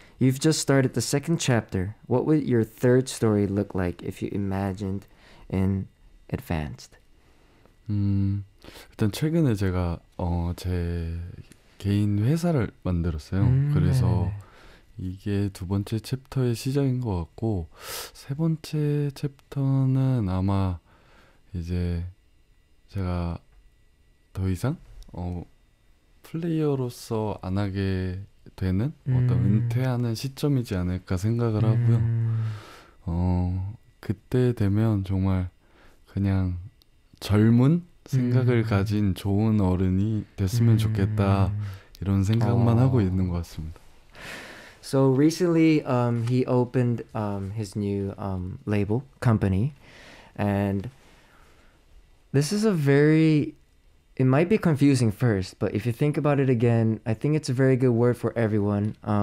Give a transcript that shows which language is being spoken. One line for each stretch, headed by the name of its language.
English: You've just started the second chapter. What would your third story look like if you imagined in advanced?
Korean: 일단 최근에 제가 어, 제 개인 회사를 만들었어요. 그래서 이게 두 번째 챕터의 시작인 것 같고 세 번째 챕터는 아마 이제 제가 더 이상 어, 플레이어로서 안 하게 되는 어떤 은퇴하는 시점이지 않을까 생각을 하고요. 어, 그때 되면 정말 그냥 젊은 생각을 가진 좋은 어른이 됐으면 좋겠다 이런 생각만 하고 있는 것 같습니다.
English: So recently he opened his new label company, and this is a very, it might be confusing first, but if you think about it again, I think it's a very good word for everyone.